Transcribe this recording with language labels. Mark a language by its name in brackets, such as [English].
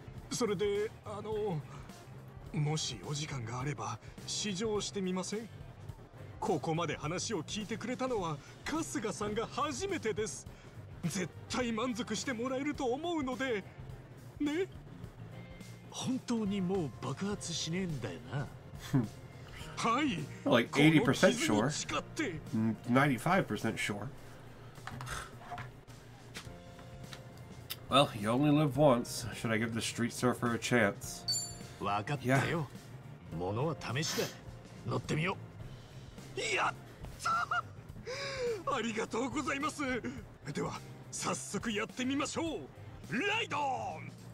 [Japanese] それで、あの、 もしお時間があれば試乗してみません？ここまで話を聞いてくれたのは春日さんが初めてです。絶対満足してもらえると思うので。ね？本当にもう爆発しねえんだよな。はい。 [English] Like 80% sure. 95% sure. Well, you only live once. Should I give the street surfer a chance? [Japanese] わかったよ。ものは試しだ。乗ってみよう。やった！ありがとうございます。では、早速やってみましょう。ライドン！